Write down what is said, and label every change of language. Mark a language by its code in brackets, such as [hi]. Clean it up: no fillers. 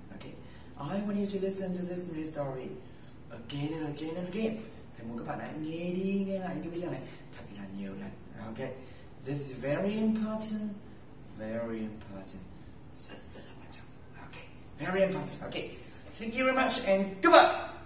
[en] Okay, I want you to listen to this mini story again and again and again. [vi] Thầy muốn các bạn hãy nghe đi nghe lại cái video này thật là nhiều lần. [en] Okay, this is very important, [vi] rất là quan trọng. [en] Okay, very important. Okay, thank you very much and goodbye.